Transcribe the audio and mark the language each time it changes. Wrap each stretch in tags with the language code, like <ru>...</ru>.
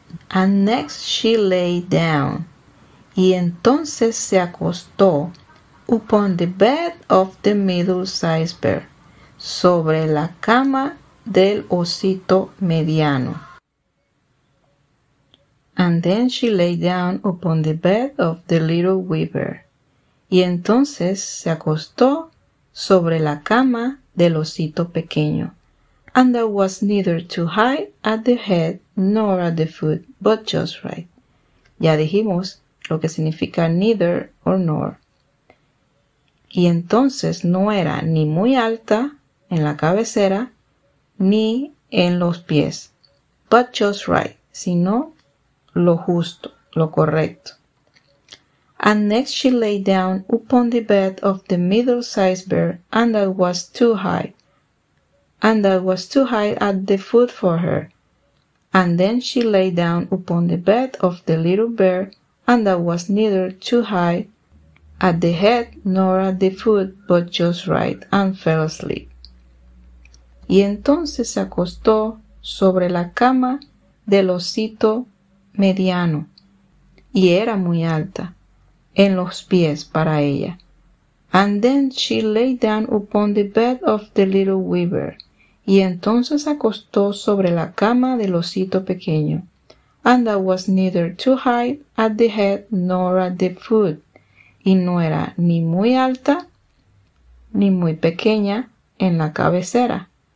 <en>And next she lay down.</en> <es>Y entonces se acostó</es> <en>upon the bed of the middle-sized bear,</en> <es>sobre la cama del osito mediano.</es> <en>And then she lay down upon the bed of the little wee bear.</en> <es>Y entonces se acostó sobre la cama del osito pequeño.</es> <en>And that was neither too high at the head nor at the foot, but just right.</en> <es>Ya dijimos lo que significa neither or nor. Y entonces no era ni muy alta en la cabecera ni en los pies.</es> <en>But just right,</en> <es>sino lo justo, lo correcto.</es> <en>And next she lay down upon the bed of the middle-sized bear, and that was too high. And that was too high at the foot for her. And then she lay down upon the bed of the little bear, and that was neither too high at the head nor at the foot, but just right, and fell asleep.</en> <es>Y entonces se acostó sobre la cama del osito mediano, y era muy alta en los pies para ella.</es> <en>And then she lay down upon the bed of the little weaver.</en> <es>Y entonces acostó sobre la cama del osito pequeño.</es> <en>And that was neither too high at the head nor at the foot.</en> <es>Y no era ni muy alta ni muy pequeña en la cabecera.</es>